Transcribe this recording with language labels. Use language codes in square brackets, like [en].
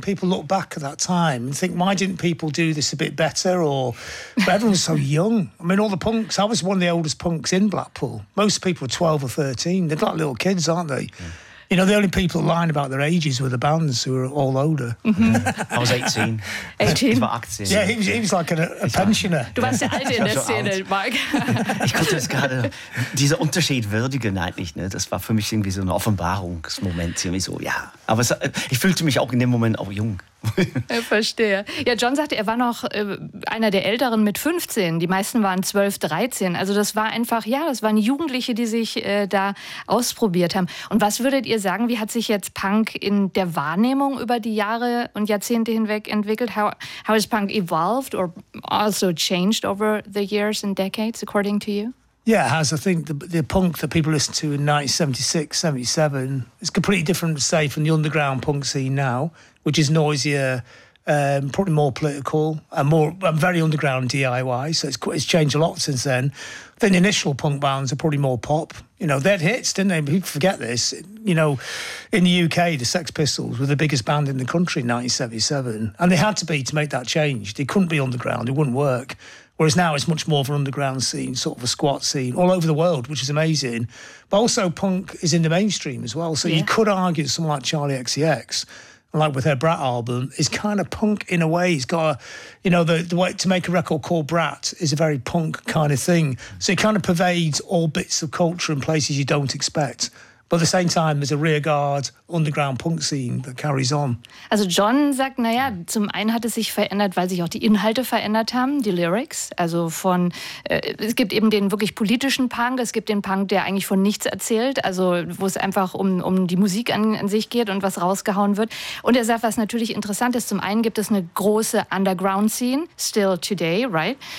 [en] People look back at that time and think, why didn't people do this a bit better? But everyone was so young. I mean, all the punks, I was one of the oldest punks in Blackpool. Most people were 12 or 13. They're like little kids, aren't they? Yeah. You know, the only people lying about their ages were the bands who were all older. Mm-hmm. I was 18. 18? [de] Ich war 18. [en] Yeah, he was like a pensioner. [de] Du warst der Alte in der Szene, Mike. Ich konnte es gerade, dieser Unterschied würdigen eigentlich, ne? Das war für mich irgendwie so ein Offenbarungsmoment. Irgendwie so, ja. Aber ich fühlte mich auch in dem Moment auch jung. Ich verstehe. Ja, John sagte, er war noch einer der Älteren mit 15. Die meisten waren 12, 13. Also das war einfach, ja, das waren Jugendliche, die sich da ausprobiert haben. Und was würdet ihr sagen, wie hat sich jetzt Punk in der Wahrnehmung über die Jahre und Jahrzehnte hinweg entwickelt? [en] How has Punk evolved or also changed over the years and decades, according to you? Yeah, it has. I think the punk that people listen to in 1976, 77, is completely different, say, from the underground punk scene now, which is noisier, probably more political, and very underground DIY. So it's changed a lot since then. Then the initial punk bands are probably more pop. You know, they had hits, didn't they? People forget this. You know, in the UK, the Sex Pistols were the biggest band in the country in 1977. And they had to be to make that change. They couldn't be underground. It wouldn't work. Whereas now it's much more of an underground scene, sort of a squat scene, all over the world, which is amazing. But also punk is in the mainstream as well. So yeah. You could argue someone like Charlie XCX, like with her Brat album, is kind of punk in a way. He's got a, you know, the way to make a record called Brat is a very punk kind of thing. So it kind of pervades all bits of culture in places you don't expect. But at the same time, there's a rearguard underground punk scene that carries on. [de] Also John sagt, naja, zum einen hat es sich verändert, weil sich auch die Inhalte verändert haben, die Lyrics. Also von, es gibt eben den wirklich politischen Punk, es gibt den Punk, der eigentlich von nichts erzählt, also wo es einfach um die Musik an sich geht und was rausgehauen wird. Und er sagt, was natürlich interessant ist, zum einen gibt es eine große underground scene, [en] still today, right?